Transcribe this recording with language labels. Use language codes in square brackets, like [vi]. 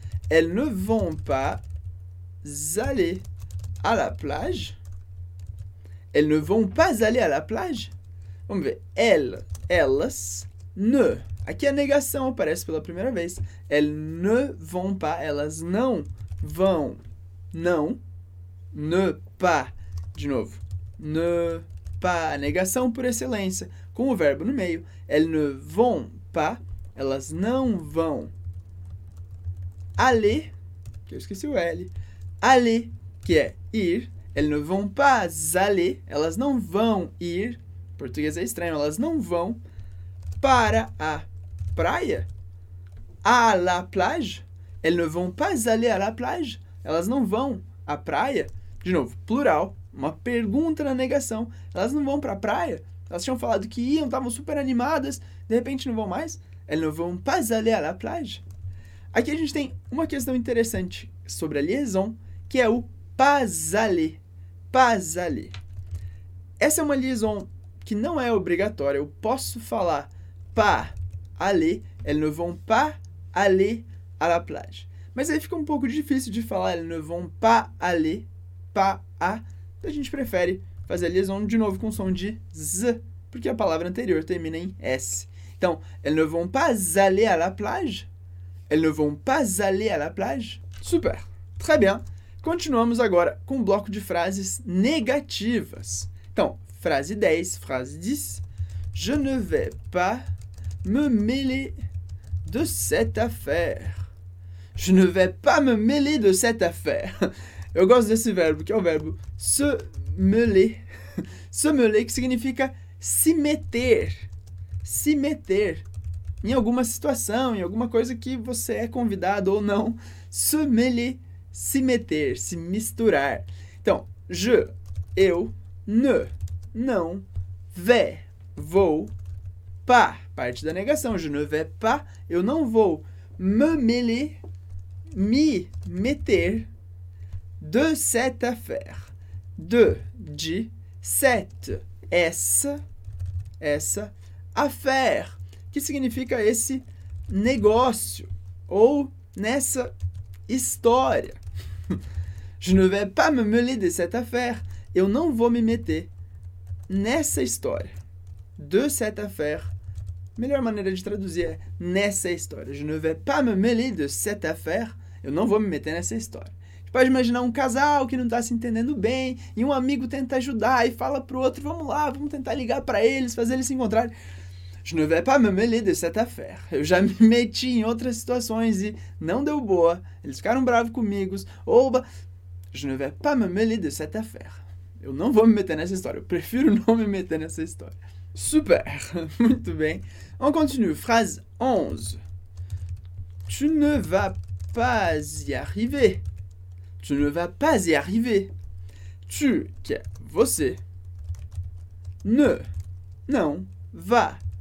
[fr] Elles ne vont pas aller à la plage. Elles ne vont pas aller à la plage. [pt] Vamos ver. Elles, elas, ne. Aqui a negação aparece pela primeira vez. [fr] Elles ne vont pas, [pt] elas não vão, não. Ne pas, de novo. Ne pas, negação por excelência, com o verbo no meio. [fr] Elles ne vont pas. [pt] Elas não vão aller, que eu esqueci o L, aller, que é ir. [fr] Elles ne vont pas aller, [pt] elas não vão ir. Em português é estranho, elas não vão para a praia. [fr] À la plage, elles ne vont pas aller à la plage, [pt] elas não vão à praia. De novo, plural, uma pergunta na negação, elas não vão para a praia? Elas tinham falado que iam, estavam super animadas, de repente não vão mais? [fr] Elles ne vont pas aller à la plage. [pt] Aqui a gente tem uma questão interessante sobre a liaison, que é o [fr] pas aller. [pt] Pas aller. Essa é uma liaison que não é obrigatória. Eu posso falar [fr] pas aller. Elles ne vont pas aller à la plage. [pt] Mas aí fica um pouco difícil de falar [fr] elles ne vont pas aller. [pt] Pas a. A gente prefere fazer a liaison de novo com o som de z, porque a palavra anterior termina em s. Então, [fr] elles ne vont pas aller à la plage. Elles ne vont pas aller à la plage. Super. Très bien. [pt] Continuamos agora com o bloco de frases negativas. Então, frase 10, frase 10. [fr] Je ne vais pas me mêler de cette affaire. Je ne vais pas me mêler de cette affaire. [pt] Eu gosto desse verbo, que é o verbo se mêler. Se mêler, que significa se meter. Se meter em alguma situação, em alguma coisa que você é convidado ou não. Se mêler, se meter, se misturar. Então, je, eu, ne, não, vais, vou, pas, parte da negação. [fr] Je ne vais pas, [pt] eu não vou, me mêler, me meter, de cette affaire. De, cette, essa, affaire, que significa esse negócio, ou nessa história. [fr] Je ne vais pas me mêler de cette affaire. [pt] Eu não vou me meter nessa história. [fr] De cette affaire. [pt] Melhor maneira de traduzir é nessa história. [fr] Je ne vais pas me mêler de cette affaire. [pt] Eu não vou me meter nessa história. Você pode imaginar um casal que não está se entendendo bem e um amigo tenta ajudar e fala pro outro: vamos lá, vamos tentar ligar para eles, fazer eles se encontrarem. [fr] Je ne vais pas me mêler de cette affaire. [pt] Eu já me meti em outras situações e não deu boa. Eles ficaram bravos comigo. Oba! [fr] Je ne vais pas me mêler de cette affaire. [pt] Eu não vou me meter nessa história. Eu prefiro não me meter nessa história. [fr] Super! [pt] Muito bem. [fr] On continue. Phrase 11. Tu ne vas pas y arriver. Tu ne vas pas y arriver. [pt] Tu, que é você. Ne. Não. Va.